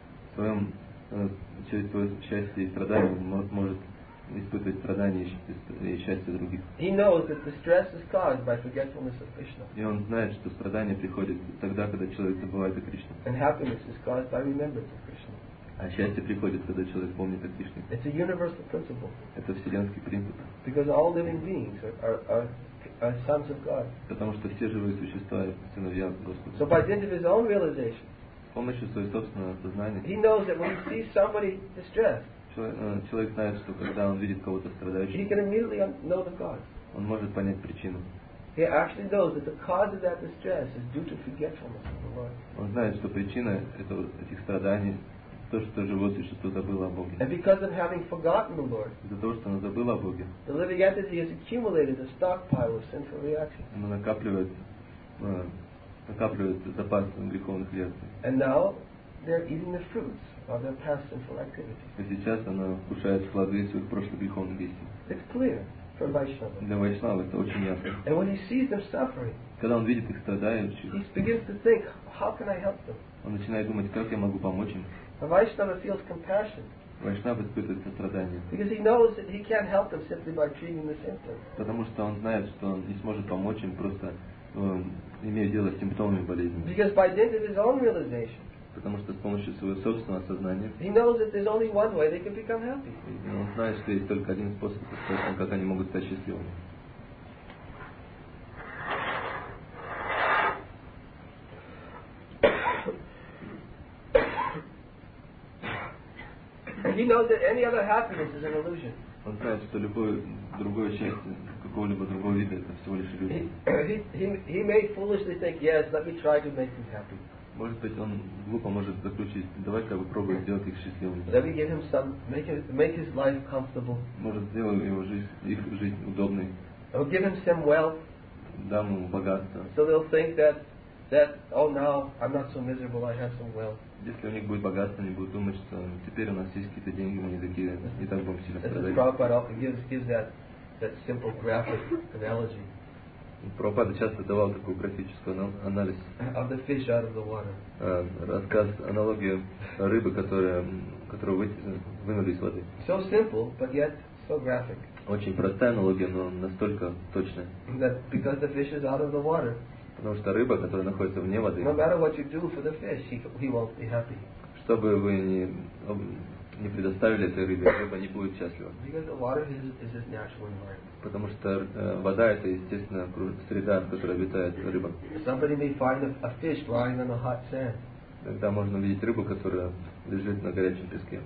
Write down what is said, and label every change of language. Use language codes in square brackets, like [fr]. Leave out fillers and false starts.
[ru] В своем, через свое счастье и страдание, он может испытывать страдания и счастье других. [en] He knows that the stress is caused by forgetfulness of Krishna. [ru] И он знает, что страдания приходят тогда, когда человек забывает о Кришне. [en] And happiness is caused by remembrance of Krishna. [ru] А счастье приходит, когда человек помнит о Кришне. [en] It's a universal principle. [ru] Это вселенский принцип. [en] Because all living beings are sons of God. [ru] Потому что все живые существа сыновья Господа. [en] So by the end of his own realization, [ru] с помощью своего собственного сознания, [en] he knows that when he sees somebody distressed, [ru] человек знает, что когда он видит кого-то страдающего, он может понять причину. Он знает, что причина этих страданий — то, что живое существо забыло о Боге. Из-за того, что оно забыло о Боге, оно накапливает запас греховных реакций. [en] They're eating the fruits of their past sinful activities. [ru] А сейчас она кушает плоды своих прошлых греховных действий. [en] It's clear for Vaishnava. [ru] Для Вайшнавы это очень ясно. [en] And when he sees them suffering, [ru] когда он видит их страдающих, [en] he begins to think, how can I help them? [ru] Он начинает думать, как я могу помочь им. [en] And Vaishnava feels compassion. [ru] Вайшнава испытывает сострадание. [en] Because he knows that he can't help them simply by treating the symptoms. [ru] Потому что он знает, что он не сможет помочь им просто имея дело с симптомами болезни. [en] Because by dint of his own realization, [ru] потому что с помощью своего собственного сознания [en] he knows that there's only one way they can become happy. [ru] Он знает, что есть только один способ, как они могут стать счастливыми. [en] He knows that any other happiness is an illusion. [ru] Он знает, что любое другое счастье какого-либо другого вида — это всего лишь иллюзия. [en] He may foolishly think, yes, let me try to make them happy. [ru] Может быть, он глупо может заключить, давай-ка попробуем сделать их счастливыми. [en] Let me give him some, make his life comfortable. [ru] Может, сделаем его жизнь, их жизнь удобной. [en] I'll give him some wealth. [ru] Дам ему богатство. [en] So they'll think that oh, now I'm not so miserable, I have some wealth. [ru] Если у них будет богатство, они будут думать, что теперь у нас есть какие-то деньги, мы не такие, не так будем сильно страдать. [en] Prabhupada often gives that simple graphic analogy. [ru] Прабхупада часто давал такой графический анализ. [en] Of the fish out of the water. [ru] Рассказ, аналогия рыбы, которую вынули из воды. [en] So simple, but yet so graphic. [ru] Очень простая аналогия, но настолько точная. [en] That because the fish is out of the water. [ru] Потому что рыба, которая находится вне воды. [en] No matter what you do for the fish, he won't be happy. [ru] Что бы вы ни предоставили этой рыбе, рыба не будет счастлива. [en] Because the water is his natural environment. [ru] Потому что вода — это естественная среда, в которой обитает рыба. [en] Somebody may find a fish lying on the hot sand. [ru] Тогда можно видеть рыбу, которая лежит на горячем песке.